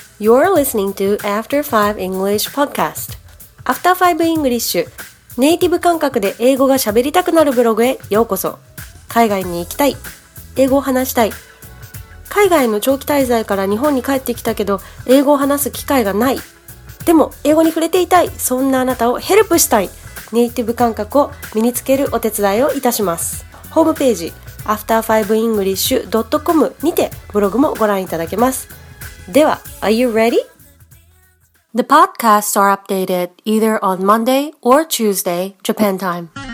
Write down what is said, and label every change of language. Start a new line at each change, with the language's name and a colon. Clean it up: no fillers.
English: You're listening to After 5 English Podcast. After 5 English.
Japanese: ネイティブ感覚で英語が喋りたくなるブログへようこそ。海外に行きたい。英語を話したい。海外の長期滞在から日本に帰ってきたけど、英語を話す機会がない。でも、英語に触れていたい。そんなあなたをヘルプしたい。ネイティブ感覚を身につけるお手伝いをいたします。ホームページ、after5english.com にてブログもご覧いただけます。では、
English: Are you ready? The podcasts are updated either on Monday or Tuesday, Japan time.